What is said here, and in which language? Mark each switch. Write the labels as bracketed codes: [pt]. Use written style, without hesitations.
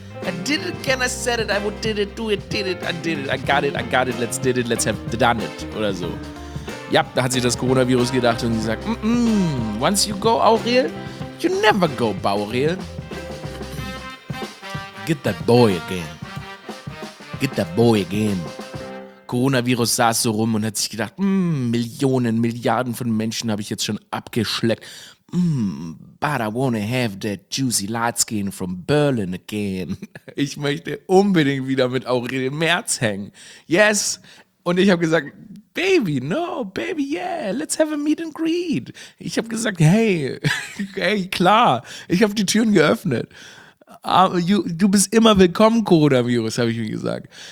[en] I got it, let's have done it. [de] Oder so. Ja, da hat sich das Coronavirus gedacht und sie sagt, once you go Aurel, you never go Baurel. [en] Get that boy again. [de] Coronavirus saß so rum und hat sich gedacht, Millionen, Milliarden von Menschen habe ich jetzt schon abgeschleckt. [en] But I wanna have that juicy light skin from Berlin again. [de] Ich möchte unbedingt wieder mit Aurel Merz hängen. Yes. [en] Und ich habe gesagt, Baby, no, Baby, yeah, let's have a meet and greet. [de] Ich habe gesagt, hey, klar. Ich habe die Türen geöffnet. Du bist immer willkommen, Coronavirus, habe ich mir gesagt.